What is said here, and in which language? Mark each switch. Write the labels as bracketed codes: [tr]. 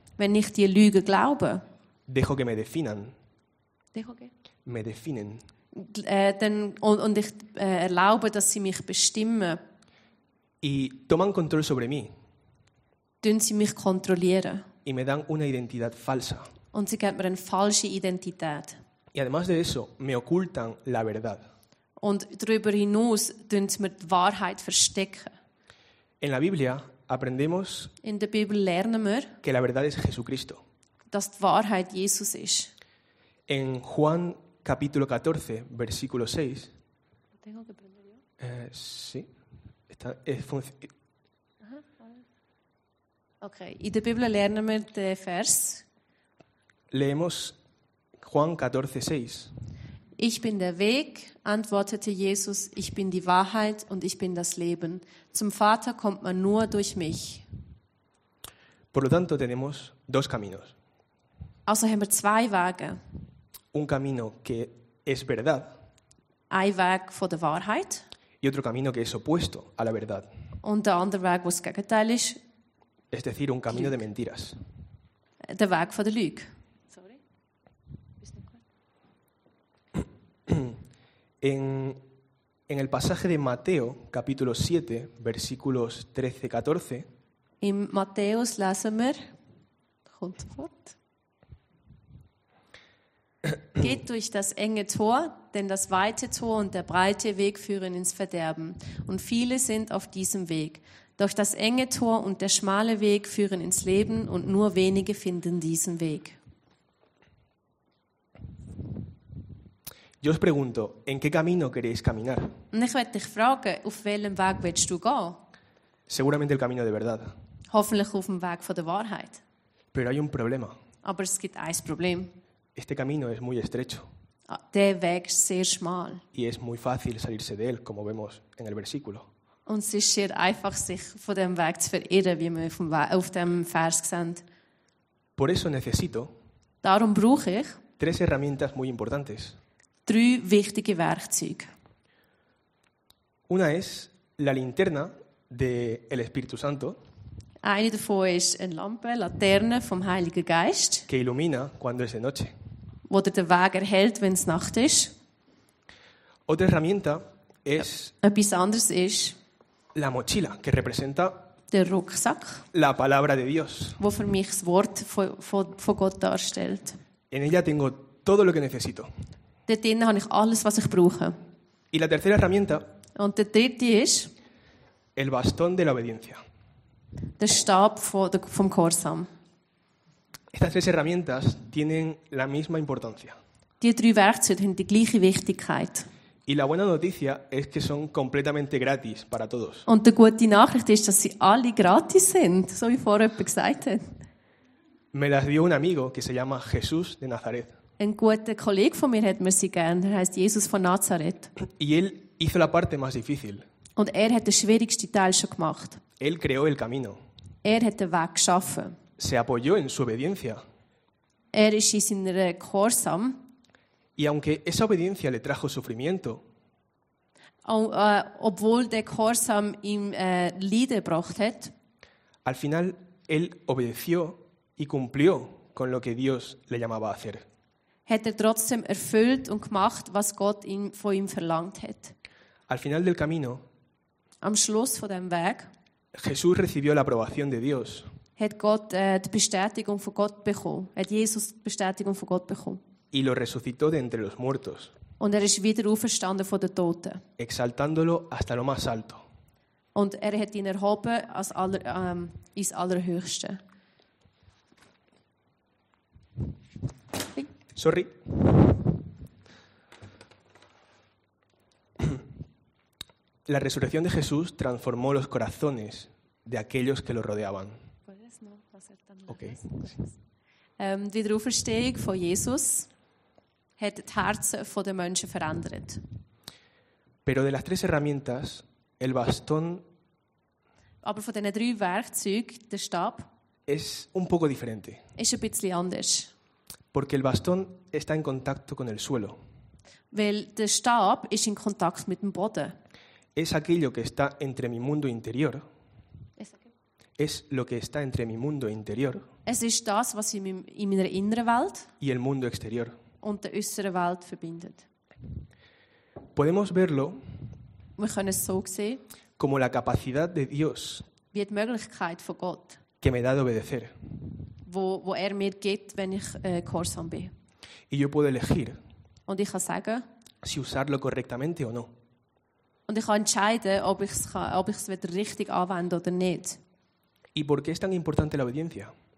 [de] wenn ich diese Lügen glaube, [es] dejo que me definan. Dejo que? Me definen. [de] Und ich erlaube, dass sie mich bestimmen. [es] Y toman control sobre mí. [de] Tun sie mich kontrollieren. [es] Y me dan una identidad falsa. [de] Und sie geben mir eine falsche Identität. [es] Y además de eso, me ocultan la verdad. [de] Und darüber hinaus tun sie mir die Wahrheit verstecken. [es] En la Biblia aprendemos, [de] in der Bibel lernen wir, [es] que la verdad es Jesucristo. [de] Dass die Wahrheit Jesus ist. [es] En Juan capítulo 14, versículo 6. ¿Tengo que aprender yo? Sí. Está, es okay. [de] In der Bibel lernen wir den Vers. [es] Leemos Juan 14, 6. [de] Ich bin der Weg, antwortete Jesus, ich bin die Wahrheit und ich bin das Leben. Zum Vater kommt man nur durch mich. [es] Por lo tanto, tenemos dos caminos. [de] Also haben wir zwei Wege. [es] Un camino que es verdad. [de] Ein Weg von der Wahrheit. [es] Y otro camino que es opuesto a la verdad. [de] Und der andere Weg, wo das Gegenteil ist. [es] Es decir, un camino de mentiras. [de] Der Weg von der Lüge. [es] En el pasaje de Mateo, capítulo 7, versículos 13-14. [de] In Matthäus lesen wir, kommt fort. Geht durch das enge Tor, denn das weite Tor und der breite Weg führen ins Verderben. Und viele sind auf diesem Weg. Doch das enge Tor und der schmale Weg führen ins Leben und nur wenige finden diesen Weg. [es] Yo os pregunto, ¿en qué camino queréis caminar? [de] Und ich möchte dich fragen, auf welchem Weg willst du gehen? [es] Seguramente el camino de verdad. [de] Hoffentlich auf dem Weg von der Wahrheit. [es] Pero hay un problema. [de] Aber es gibt ein Problem. [es] Este camino es muy estrecho. [de] Der Weg ist sehr schmal. [es] Y es muy fácil salirse de él, como vemos en el versículo. [de] Und es ist sehr einfach, sich von dem Weg zu verirren, wie wir auf dem Vers sehen. [es] Por eso necesito. [de] Darum brauche ich. [es] 3 herramientas muy importantes. [de] 3 wichtige Werkzeuge. [es] Una es la linterna del Espíritu Santo. [de] Eine davon ist eine Lampe, Laterne vom Heiligen Geist. [es] Que ilumina cuando es de noche. [de] Wo der Weg erhält, wenn es Nacht ist. [es] Otra herramienta es. [de] Etwas anderes ist. [es] La mochila, que representa. [de] Der Rucksack. [es] La palabra de Dios. [de] Wo für mich das Wort von Gott darstellt. [es] En ella tengo todo lo que necesito. [de] Dort drin habe ich alles, was ich brauche. [es] Y la tercera herramienta, [de] und der dritte ist [es] el bastón de la obediencia. [de] Der Stab vom Gehorsam. [es] Estas 3 herramientas tienen la misma importancia. [de] Die 3 Werkzeuge haben die gleiche Wichtigkeit. [es] Y la buena noticia es que son completamente gratis para todos. [de] Und die gute Nachricht ist, dass sie alle gratis sind, so wie vorher jemand gesagt hat. [es] Me las dio un amigo que se llama Jesús de Nazaret. [de] Ein guter Kollege von mir hat mir sie gegeben. Er heißt Jesus von Nazareth. [es] Y él hizo la parte más difícil. [de] Und er hat den schwierigsten Teil schon gemacht. [es] Él creó el camino. [de] Er hat den Weg geschaffen. [es] Se apoyó en su obediencia. [de] Er ist in seiner Gehorsam. [es] Y aunque esa obediencia le trajo sufrimiento, [de] obwohl der Gehorsam ihm Leiden gebracht hat, [es] al final él obedeció y cumplió con lo que Dios le llamaba a hacer. [de] Hat er trotzdem erfüllt und gemacht, was Gott ihm von ihm verlangt hat. [es] Al final del camino, [de] am Schluss von dem Weg, [es] Jesús recibió la aprobación de Dios. [de] Hat Gott die Bestätigung von Gott bekommen. Hat Jesus die Bestätigung von Gott bekommen. [es] Y lo resucitó de entre los muertos. [de] Und er ist wieder auferstanden von den Toten. [es] Exaltándolo hasta lo más alto. [de] Und er hat ihn erhoben als aller, ins Allerhöchste. [en] Sorry. [es] La resurrección de Jesús transformó los corazones de aquellos que lo rodeaban. Okay. [de] Die Wiederauferstehung von Jesus hat die Herzen von den Menschen verändert. [es] Pero de las tres herramientas, el bastón. [de] Aber von den drei Werkzeugen, der Stab, [es] es un poco diferente. [de] Ist ein bisschen anders. [es] Porque el bastón está en contacto con el suelo. [de] Weil der Stab ist in Kontakt mit dem Boden. [es] Es aquello que está entre mi mundo interior. Es lo que está entre mi mundo interior. [de] Es ist das, was in meiner inneren Welt [es] y el mundo exterior [de] und der äußeren Welt verbindet. [es] Podemos verlo. [de] Wir können es so sehen. [es] Como la capacidad de Dios. [de] Wie die Möglichkeit von Gott. [es] Que me da de obedecer. [de] Wo er mir gibt, wenn ich gehorsam bin. [es] Y yo puedo elegir. [de] Und ich kann sagen. [es] Si usarlo correctamente o no. [de] Und ich kann entscheiden, ob ich es richtig anwende oder nicht. [es] ¿Y por qué es tan importante la obediencia?